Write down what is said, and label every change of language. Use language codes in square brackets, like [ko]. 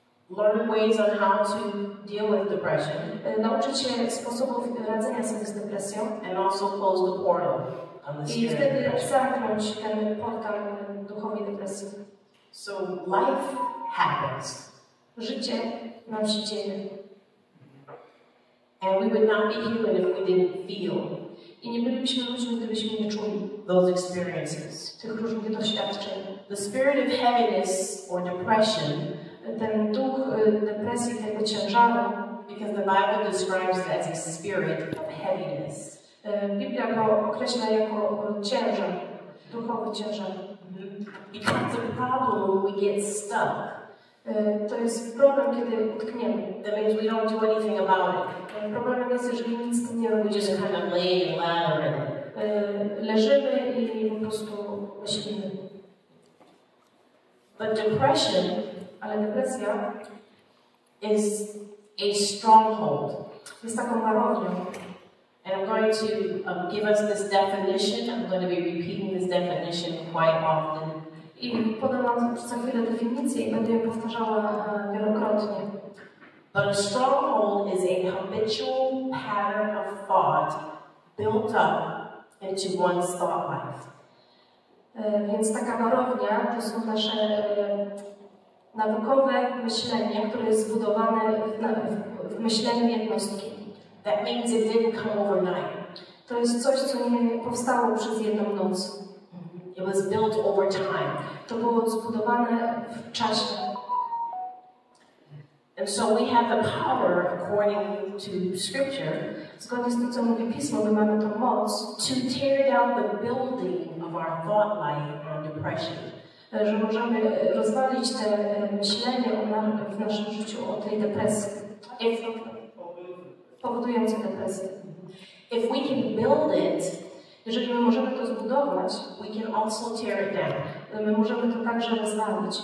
[en] Learn ways on how to deal with depression. [pl] Nauczyć się sposobów radzenia sobie z depresją. [en] And also close the portal on the spirit. [pl] I wtedy zamknąć ten portal duchowi depresji. [en] So life happens. [pl] Życie nam się dzieje. [en] And we would not be human if we didn't feel. [pl] I nie bylibyśmy ludźmi, gdybyśmy nie czuli [en] those experiences. [pl] Tych różnych doświadczeń. [en] The spirit of heaviness or depression, [pl] ten duch depresji, tego ciężaru, [en] because the Bible describes it as a spirit of heaviness. [pl] Biblia go określa jako ciężar, duchowy ciężar. [en] Becomes a problem when we get stuck. [pl] To jest problem, kiedy utkniemy. [en] That means we don't do anything about it. [pl] Problemem jest, jeżeli nic z tym nie robimy. [en] Just kind of lay and ladder in it. [pl] Leżymy i po prostu myślimy. [en] But depression, [pl] ale depresja, [en] is a stronghold. [pl] Jest taką marownią. [en] And I'm going to give us this definition. I'm going to be repeating this definition quite often. [pl] I podam wam za chwilę definicję i będę ją powtarzała wielokrotnie. [en] But a stronghold is a habitual pattern of thought built up into one's thought life. [pl] Więc taka marownia to są nasze nawykowe myślenie, które jest zbudowane w myśleniu jednostki. [en] That means it didn't come overnight. [pl] To jest coś, co nie powstało przez jedną noc. [en] It was built over time. [pl] To było zbudowane w czasie. [en] And so we have the power, according to Scripture, [pl] zgodnie z tym, co mówi Pismo, my mamy tą moc, [en] to tear down the building of our thought life on depression. [pl] Że możemy rozwalić te myślenie w naszym życiu o tej depresji. Powodującą depresję. [en] If we can build it, [pl] jeżeli my możemy to zbudować, [en] we can also tear it down. [pl] My możemy to także rozwalić.